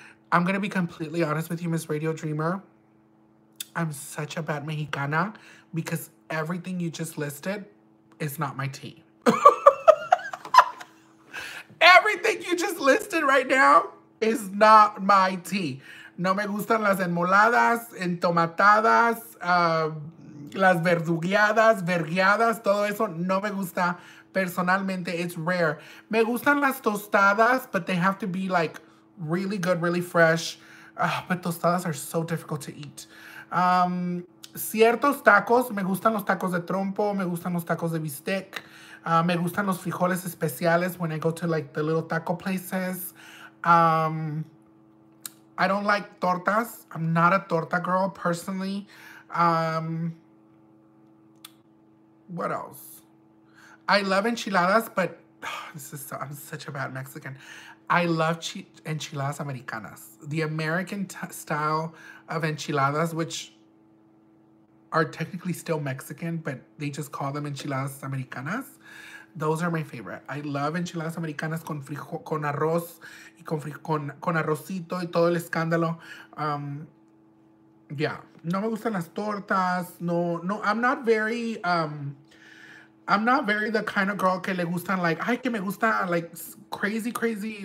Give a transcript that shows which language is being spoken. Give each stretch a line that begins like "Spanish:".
English: I'm going to be completely honest with you, Miss Radio Dreamer. I'm such a bad Mexicana because everything you just listed is not my tea. Everything you just listed right now is not my tea.
Spanish: No me gustan las enmoladas, entomatadas, las verdugueadas, vergueadas, todo eso no me gusta personalmente.
English: It's rare.
Spanish: Me gustan las tostadas,
English: but they have to be like really good, really fresh. But tostadas are so difficult to eat.
Spanish: Ciertos tacos, me gustan los tacos de trompo, me gustan los tacos de bistec, me gustan los frijoles especiales
English: when I go to like the little taco places. I don't like tortas. I'm not a torta girl personally. What else? I love enchiladas, but I'm such a bad Mexican. I love enchiladas americanas. The American style of enchiladas, which are technically still Mexican, but they just call them enchiladas americanas. Those are my favorite. I love enchiladas americanas
Spanish: con frijol, con arroz, y con arrocito y todo el escándalo.
English: Yeah.
Spanish: No me gustan las tortas.
English: No, no. I'm not very the kind of girl
Spanish: que le gustan,
English: like,
Spanish: ay, que me gusta,
English: like, crazy, crazy.